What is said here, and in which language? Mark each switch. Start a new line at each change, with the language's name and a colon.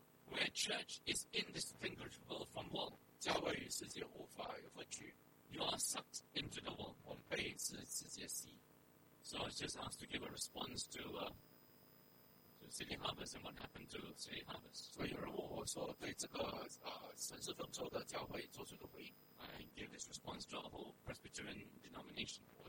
English: Where church is indistinguishable from world,
Chinese: 教会与世界无法分区.
English: You are sucked into the world,
Chinese: 我们被世界吸.
English: So I just asked to give a response to City Harvest and what happened to City Harvest.
Chinese: 所以有人问我说对这个, 神事丰收的教会做出的回应.
English: I give this response to our whole Presbyterian denomination.